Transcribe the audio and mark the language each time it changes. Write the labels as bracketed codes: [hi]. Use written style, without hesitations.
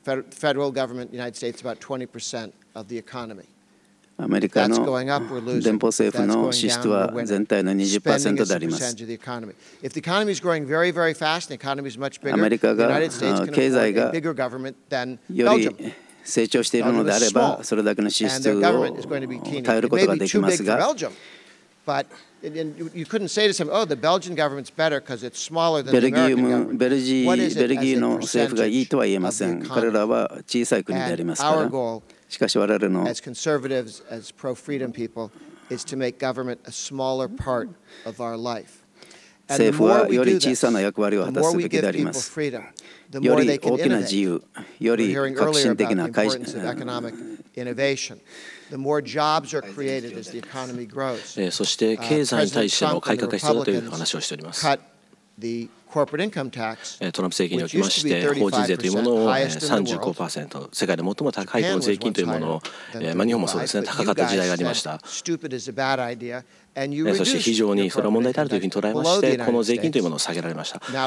[en] Federal government, United States, about 20% of the economy. That's going up, we're losing. That's going down, we're winning. Spending is a percentage of the economy. If the economy is growing very, very fast, the economy is much bigger, the United States can afford a bigger government than Belgium. [ja] 成長しているのであれば、それだけの支出を耐えることができますが、 [en] But and you couldn't say to some, oh, the Belgian government's better because it's smaller than the American government. [ja] ベルギーの政府がいいとは言えません。彼らは小さい国でありますから。 [en] Our goal, [ja] しかし我々の [en] as conservatives, as pro-freedom people, is to make government a smaller part of our life. [ja] 政府はより小さな役割を果たすべきであります。より大きな自由、より革新的な改革。 [en] The more jobs are created as the economy grows. [ja] そして経済に対しての改革が必要だという話をしております。トランプ政権におきまして法人税というものを 35% 世界で最も高い税金というものを日本もそうですね高かった時代がありました。そして非常にそれは問題であるというふうに捉えましてこの税金というものを下げられました。